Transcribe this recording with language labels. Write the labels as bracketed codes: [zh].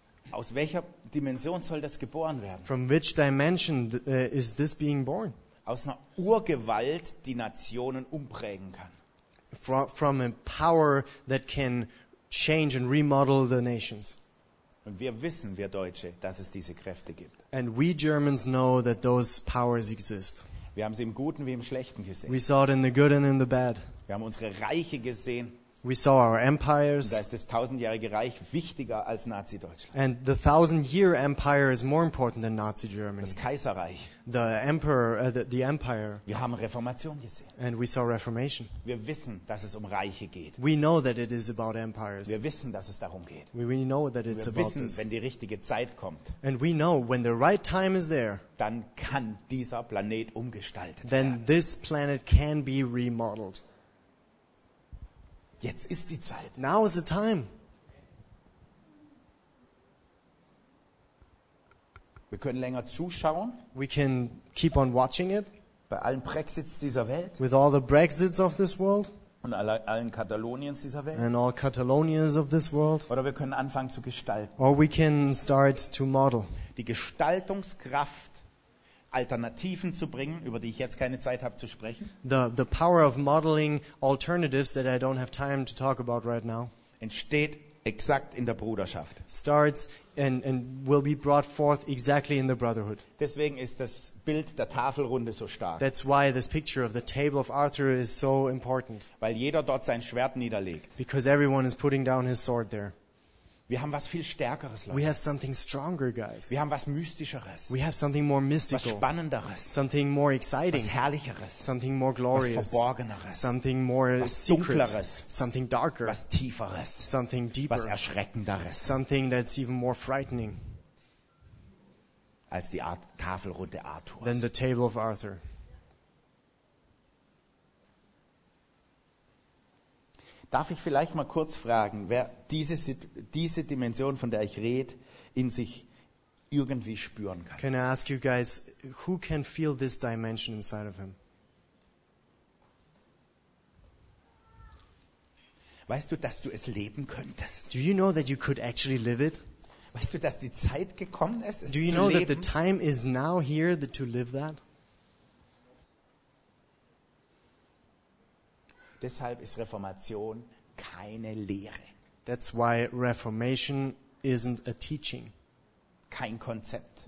[de] Aus welcher Dimension soll das geboren werden? [en] From which dimension is this being born? [de] Aus einer Urgewalt, die Nationen umprägen kann. [en] From a power that can change and remodel the nations. [de] Und wir wissen, wir Deutsche, dass es diese Kräfte gibt. [en] And we Germans know that those powers exist. [de] Wir haben sie im Guten wie im Schlechten gesehen. [en] We saw it in the good and in the bad. [de] Wir haben unsere Reiche gesehen. [en] We saw our empires. [de] Und da ist das tausendjährige Reich wichtiger als Nazi-Deutschland. [en] And the thousand-year empire is more important than Nazi Germany. [de] Das Kaiserreich. [en] The emperor, the empire. [de] Wir haben Reformation gesehen. [en] And we saw Reformation. [de] Wir wissen, dass es um Reiche geht. [en] We know that it is about empires. [de] Wir wissen, dass es darum geht. [en] We know that it's about this. [de] Wir wissen, wenn die richtige Zeit kommt. [en] And we know when the right time is there. [de] Dann kann dieser Planet umgestaltet [en] then [de] werden. [en] Then this planet can be remodeled. [de] Jetzt ist die Zeit. [en] Now is the time. [de] Wir können länger zuschauen. [en] We can keep on watching it. [de] Bei allen Brexits dieser Welt. [en] With all the Brexits of this world. [de] Und allen Kataloniens dieser Welt. [en] And all Catalonians of this world. [de] Oder wir können anfangen zu gestalten. [en] Or we can start to model. [de] Die Gestaltungskraft, Alternativen zu bringen, über die ich jetzt keine Zeit habe zu sprechen. [en] The power of modeling alternatives that I don't have time to talk about right now. [de] Entsteht exakt in der Bruderschaft. [en] Starts and will be brought forth exactly in the brotherhood. [de] Deswegen ist das Bild der Tafelrunde so stark. [en] That's why this picture of the table of Arthur is so important. [de] Weil jeder dort sein Schwert niederlegt. [en] Because everyone is putting down his sword there. [de] Wir haben was viel Stärkeres, Leute. [en] We have something stronger, guys. [de] Wir haben was Mystischeres. [en] We have something more mystical. [de] Was Spannenderes. [en] Something more exciting. [de] Was Herrlicheres. [en] Something more glorious. [de] Was Verborgeneres. [en] Something more [de] was [en] secret. [de] Dunkleres. [en] Something darker. [de] Was Tieferes. [en] Something deeper. [de] Was Erschreckenderes. [en] Something that's even more frightening. [de] Als die Tafelrunde Arthurs. [en] Than the table of Arthur. [de] Darf ich vielleicht mal kurz fragen, wer diese Dimension, von der ich rede, in sich irgendwie spüren kann? [en] Can I ask you guys, who can feel this dimension inside of him? [de] Weißt du, dass du es leben könntest? [en] Do you know that you could actually live it? [de] Weißt du, dass die Zeit gekommen ist, es zu leben? [en] Do you know that the time is now here to live that? [de] Deshalb ist Reformation keine Lehre. [en] That's why Reformation isn't a teaching. [de] Kein Konzept.